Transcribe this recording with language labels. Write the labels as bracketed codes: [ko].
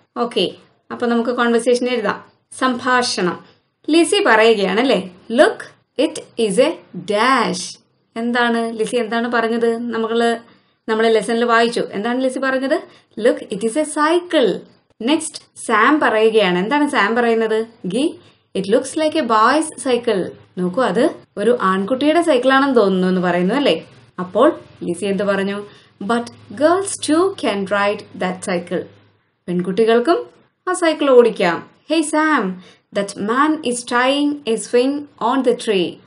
[ml] Okay, അപ്പൊ നമുക്ക് conversation എഴുതാം. സംഭാഷണം. Lissy പറയുകയാണല്ലേ, [en] Look, it is a dash. [ml] എന്താണ് ലിസി എന്താണ് പറഞ്ഞത്? നമ്മളെ ലെസണിൽ വായിച്ചു. എന്താണ് ലിസി പറഞ്ഞത്? [en] Look, it is a cycle. Next [ml] Sam പറയുകയാണ്. എന്താണ് സാം പറയുന്നത്? [en] ഗി, It looks like a boy's cycle. [ml] നോക്കൂ, അത് ഒരു ആൺകുട്ടിയുടെ സൈക്കിളാണെന്ന് തോന്നുന്നു എന്ന് പറയുന്നു അല്ലേ. അപ്പോൾ ലിസി എന്ത് പറഞ്ഞു? [en] But girls too can ride that cycle. [ml] പെൺകുട്ടികൾക്കും ആ സൈക്കിൾ ഓടിക്കാം. [en] Hey Sam, that man is trying a swing on the tree.